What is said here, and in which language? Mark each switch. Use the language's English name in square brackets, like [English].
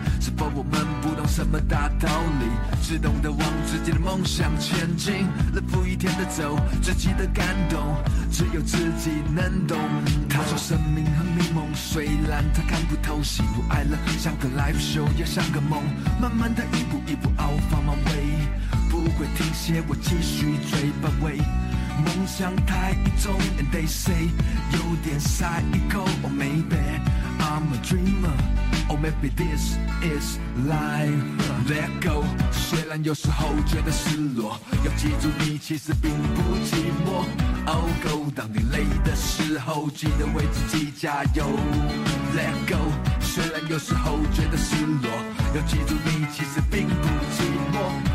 [Chinese] 是否我们不懂什么大道理，只懂得往自己的梦想前进，日复一天地走，自己的感动只有自己能懂。他说生命很迷蒙，虽然他看不透，喜怒哀乐像个 live show， 也像个梦，慢慢的一步一步 [English] Alpha my way， [Chinese] 不会停歇，我继续追。 [English] But wait， [Chinese] 梦想太重 [English] ，And they say [Chinese] 有点 [English] psycho。 Oh maybe I'm a dreamer， Oh maybe this is life。 Let go， [Chinese] 虽然有时候觉得失落，要记住你其实并不寂寞。 [English] Oh go， [Chinese] 当你累的时候，记得为自己加油。 [English] Let go。 [Chinese] 虽然有时候觉得失落，要记住你其实并不寂寞。